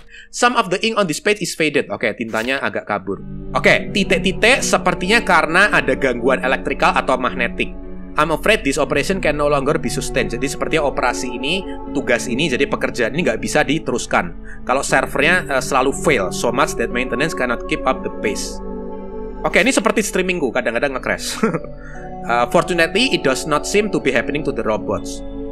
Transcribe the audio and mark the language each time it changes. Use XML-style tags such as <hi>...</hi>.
<en>Some of the ink on this page is faded.</en> <id>Oke, okay, tintanya agak kabur. Oke, okay, titik-titik sepertinya karena ada gangguan elektrikal atau magnetik.</id> <en>I'm afraid this operation can no longer be sustained.</en> <id>Jadi sepertinya operasi ini, tugas ini, jadi pekerjaan ini gak bisa diteruskan. Kalau servernya selalu fail,</id> <en>so much that maintenance cannot keep up the pace.</en> <id>Oke, ini seperti streamingku, kadang-kadang nge-crash.</id> <en>Fortunately, it does not seem to be happening to the robots.</en>